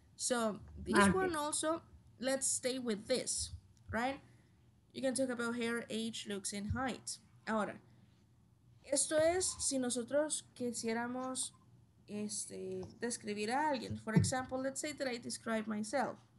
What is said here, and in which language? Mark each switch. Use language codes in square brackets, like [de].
[en] So, this one also, let's stay with this, right? You can talk about hair, age, looks, and height. [es] Ahora, esto es si nosotros quisiéramos describir a alguien. [en] For example, let's say that I describe myself.